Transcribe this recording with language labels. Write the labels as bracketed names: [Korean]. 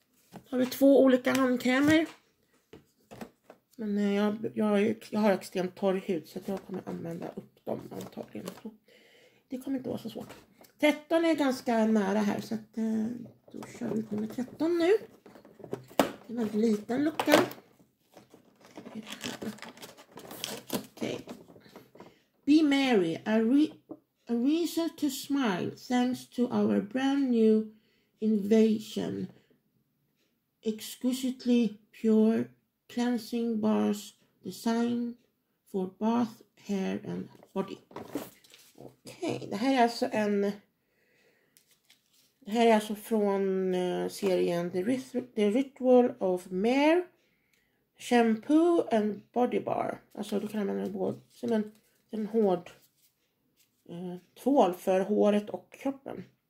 [Swedish] Då har vi två olika handkrämer. Men jag har extremt torr hud så jag kommer använda upp dem antagligen. Det kommer inte vara så svårt. 13 är ganska nära här så att, då kör vi nummer 13 nu. Det är en väldigt liten lucka. Okej. [English] Be Mary, a reason to smile thanks to our brand new innovation. Exquisitely pure cleansing bars designed for bath, hair and body. [Swedish] Okej, det här är alltså en... Det här är alltså från serien The Ritual of Mare. [English] Shampoo and body bar. [Swedish] Alltså då kan man använda både som en hård tvål för håret och kroppen.